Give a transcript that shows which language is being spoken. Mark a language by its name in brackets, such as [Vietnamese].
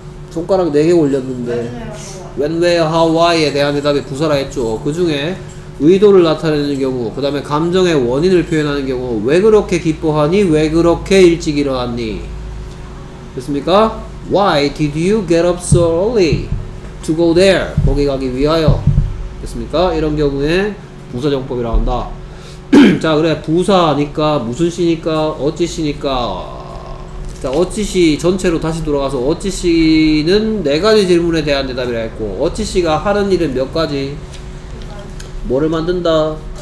[Korean] 손가락 4개 올렸는데 [English] when, where, how, why [Korean] 에 대한 대답이 부사라 했죠. 그 중에 의도를 나타내는 경우, 그 다음에 감정의 원인을 표현하는 경우, 왜 그렇게 기뻐하니? 왜 그렇게 일찍 일어났니? 됐습니까? [English] Why did you get up so early to go there? [Korean] 거기 가기 위하여. 됐습니까? 이런 경우에 부사정법이라 한다. 자, 그래. 부사니까, 무슨 시니까, 어찌시니까. 자, 어찌시 전체로 다시 돌아가서 어찌시는 네 가지 질문에 대한 대답이라 했고, 어찌시가 하는 일은 몇 가지? 뭐를 만든다?